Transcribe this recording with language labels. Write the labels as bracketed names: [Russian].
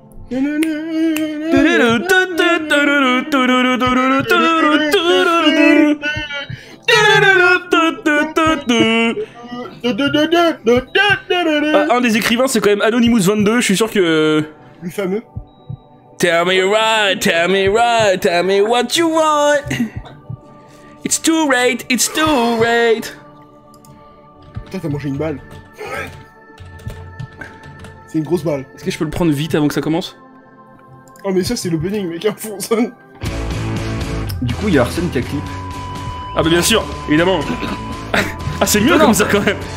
[French] Un des écrivains, c'est quand même Anonymous 22, je suis sûr que... le fameux. [English] Tell me right, tell me right, tell me what you want. It's too late, it's too late. [French] Putain, t'as mangé une balle. C'est une grosse balle. Est-ce que je peux le prendre vite avant que ça commence? Oh mais ça c'est l'opening, mec, un fond sonne. Du coup, il y a Arsène qui a clip. Ah bah bien sûr, évidemment. Ah c'est mieux comme ça quand même.